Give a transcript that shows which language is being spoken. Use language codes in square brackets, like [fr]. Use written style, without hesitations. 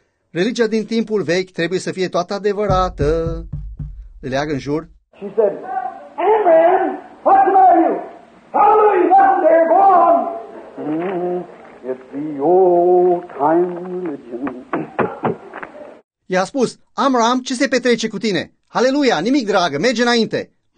[ro] Religia din timpul vechi trebuie să fie toată adevărată. Le leagă în jur. [en] She said, Amram, what's the matter with you? Hallelujah, what's there, go on. It's the old time religion. [ro] I-a spus, Amram, ce se petrece cu tine? Hallelujah, nimic dragă, merge înainte.